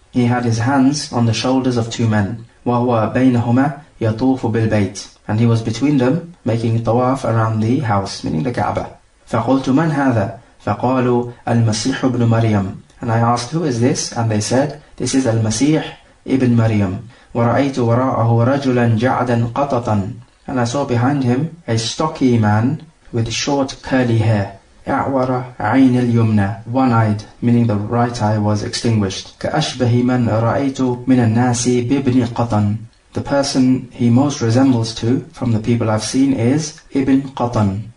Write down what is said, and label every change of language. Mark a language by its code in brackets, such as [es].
[en] He had his hands on the shoulders of two men. [ar] وَهُوَ بَيْنَهُمَا يَطُوفُ بِالْبَيْتِ. [en] And he was between them, making tawaf around the house, meaning the Kaaba. [ar] فَقُلْتُ مَنْ هَذَا؟ فَقَالُوا الْمَسِيحُ بْنُ مَرْيَمُ. [en] And I asked, who is this? And they said, this is al-Masih ibn Maryam. [ar] وَرَأَيْتُ وَرَاءَهُ رَجُلًا جَعْدًا قَطَطًا. [en] And I saw behind him a stocky man with short curly hair. [ar] أَعْوَرَ عَيْنِ الْيُمْنَى. [en] One-eyed, meaning the right eye was extinguished. [ar] كَأَشْبَهِ مَنْ رَأَيْتُ مِنَ النَّاسِ بِابْنِ قَطَنْ. [en] The person he most resembles to from the people I've seen is Ibn Qatan.